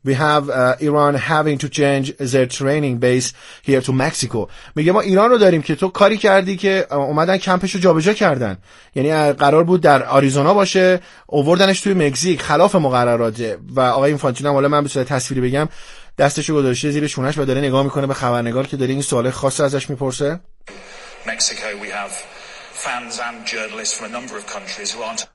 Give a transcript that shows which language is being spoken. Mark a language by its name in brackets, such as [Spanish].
[English] We have Iran having to change their training base here to Mexico. [Persian] میگه ما ایران رو داریم که تو کاری کردی که اومدن کمپش رو جابجا کردن. یعنی قرار بود در آریزونا باشه، اووردنش توی مکزیک، خلاف مقرراته. و آقای اینفانتینو هم، حالا من به صورت تصویری بگم، دستشو گذاشته زیر شونش و داره نگاه میکنه به خبرنگار که داره این سوال خاص ازش میپرسه. [English] Mexico, we have fans and journalists from a number of countries who aren't.